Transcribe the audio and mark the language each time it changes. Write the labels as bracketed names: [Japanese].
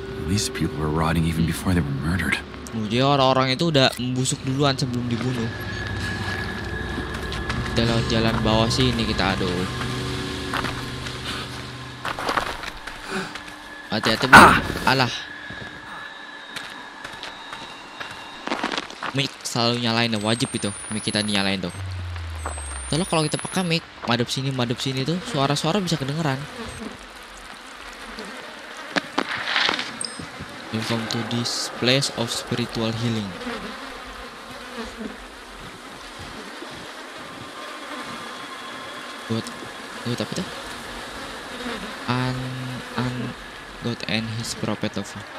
[English] These people were rotting even before they were murdered. [Indonesian] Jadi orang-orang itu udah membusuk duluan sebelum dibunuh. Kita lewat jalan bawah sini kita aduh. Hati-hati bu. Alah. Mic selalu nyalain, wajib itu mic kita nyalain tuh. Soalnya kalau kita pakai mic, madep sini tuh suara-suara bisa kedengeran. [English] Welcome to this place of spiritual healing. God [Indonesian] apa tuh? [English] An God and His prophet of.